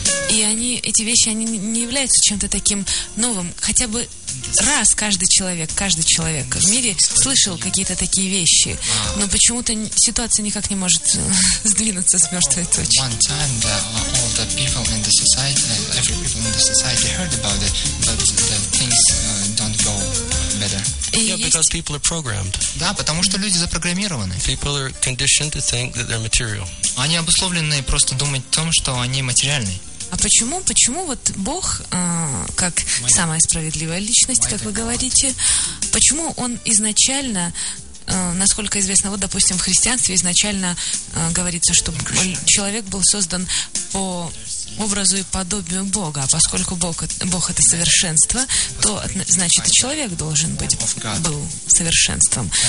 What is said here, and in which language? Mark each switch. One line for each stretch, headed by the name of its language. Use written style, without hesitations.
Russian: И они, эти вещи, они не являются чем-то таким новым. Хотя бы раз каждый человек в мире слышал какие-то такие вещи, но почему-то ситуация никак не может сдвинуться с мертвой точки.
English: One time that all the people in the society, every people in the society heard about it, but the things don't go better. Yeah, because people are programmed.
Russian: Да, потому что люди запрограммированы.
English: People are conditioned to think that they're material.
Russian: Они обусловлены просто думать о том, что они материальны. А почему? Почему вот Бог, как самая справедливая личность, как вы говорите, почему Он изначально насколько известно, вот, допустим, в христианстве изначально говорится, что человек был создан по образу и подобию Бога, а поскольку Бог это совершенство, то значит и человек должен был совершенством.